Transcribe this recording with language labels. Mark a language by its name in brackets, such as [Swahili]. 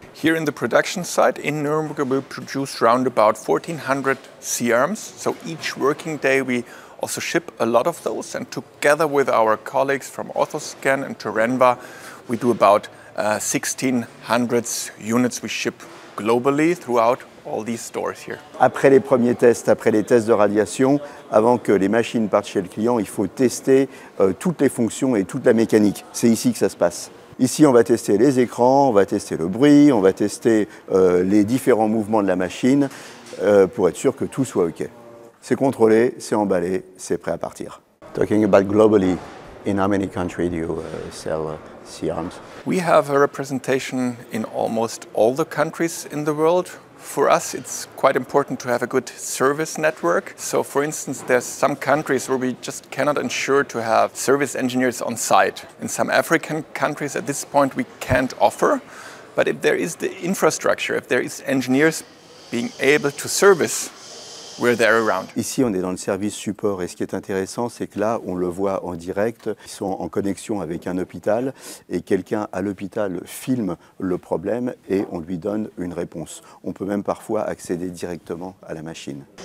[English] Here in the production site in Nuremberg, we produce around about 1,400 C-arms. So each working day, we also ship a lot of those. And together with our colleagues from Orthoscan and Terenva, we do about 1,600 units we ship globally throughout all these stores here. [French] Après les premiers tests, après les tests de radiation, avant que les machines partent chez le client, il faut tester toutes les fonctions et toute la mécanique. C'est ici que ça se passe. Ici, on va tester les écrans, on va tester le bruit, on va tester les différents mouvements de la machine pour être sûr que tout soit OK. C'est contrôlé, c'est emballé, c'est prêt à partir. [English] Talking about globally, in how many countries do you sell C-arms? We have a representation in almost all the countries in the world. For us, it's quite important to have a good service network. So for instance, there's some countries where we just cannot ensure to have service engineers on site. In some African countries at this point, we can't offer. But if there is the infrastructure, if there is engineers being able to service, we're there around. [French] Ici, on est dans le service support, et ce qui est intéressant, c'est que là, on le voit en direct. Ils sont en connexion avec un hôpital, et quelqu'un à l'hôpital filme le problème, et on lui donne une réponse. On peut même parfois accéder directement à la machine.